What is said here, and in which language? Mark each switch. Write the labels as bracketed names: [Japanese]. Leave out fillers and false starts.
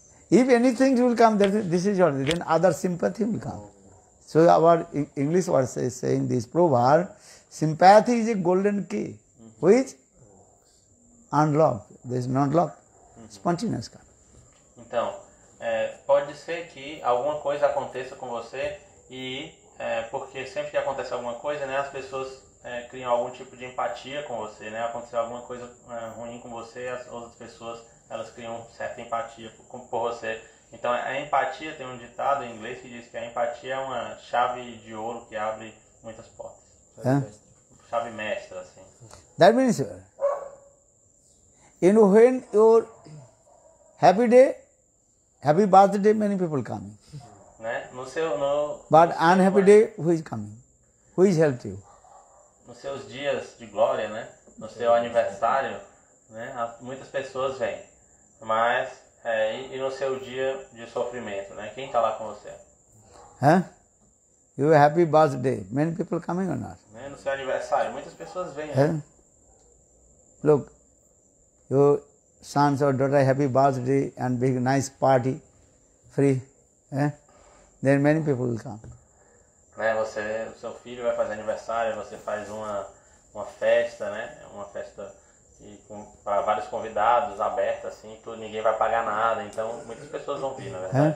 [English] If anything will come, this is your, then other sympathy will come. So our English word is saying this proverb, sympathy is a golden key, which unlocked, this not locked, spontaneous come. [Portuguese] Então, pode ser que alguma coisa aconteça com você e porque sempre que acontece alguma coisa, né, as pessoas criam algum tipo de empatia com você, né, aconteceu alguma coisa ruim com você, as outras pessoas elas criam certa empatia por você. Então, a empatia, tem um ditado em inglês que diz que a empatia é uma chave de ouro que abre muitas portas. Chave mestra, assim. [English] That means, you know, when your happy day, happy birthday, many people come. [Portuguese] Né? No seu, no, [English] but [Portuguese] no [English] unhappy day, who is coming? Who is helped you? [Portuguese] Nos seus dias de glória, né? No seu aniversário, né? Muitas pessoas vêm. Mas, e no seu dia de sofrimento, né? Quem está lá com você? [English] You happy birthday. Many people coming or not? [Portuguese] Né? No seu aniversário, muitas pessoas vêm. [English] Look, your sons or daughter happy birthday and big nice party, free. Eh? Then many people will come. [Portuguese] Né, você, o seu filho vai fazer aniversário, você faz uma festa, né? Uma festa para vários convidados, aberta assim, tudo, ninguém vai pagar nada, então muitas pessoas vão vir, na verdade.